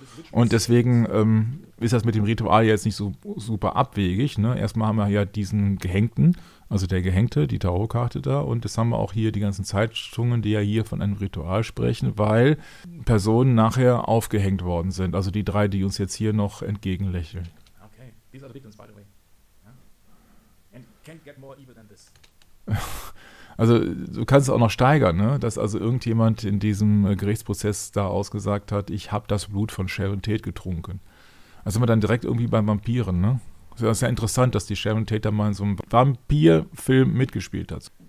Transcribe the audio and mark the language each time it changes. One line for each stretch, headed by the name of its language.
German: Und deswegen ist das mit dem Ritual jetzt nicht so super abwegig. Ne? Erstmal haben wir ja diesen Gehängten, also der Gehängte, die Tarotkarte da. Und das haben wir auch hier die ganzen Zeitungen, die ja hier von einem Ritual sprechen, weil Personen nachher aufgehängt worden sind. Also die drei, die uns jetzt hier noch entgegenlächeln.
English: Okay, these are the victims, by the way. And can't get more evil than this.
German: Also, du kannst es auch noch steigern, ne? Dass also irgendjemand in diesem Gerichtsprozess da ausgesagt hat, ich habe das Blut von Sharon Tate getrunken. Also sind wir dann direkt irgendwie bei Vampiren, ne? Das ist ja interessant, dass die Sharon Tate da mal in so einem Vampirfilm mitgespielt hat.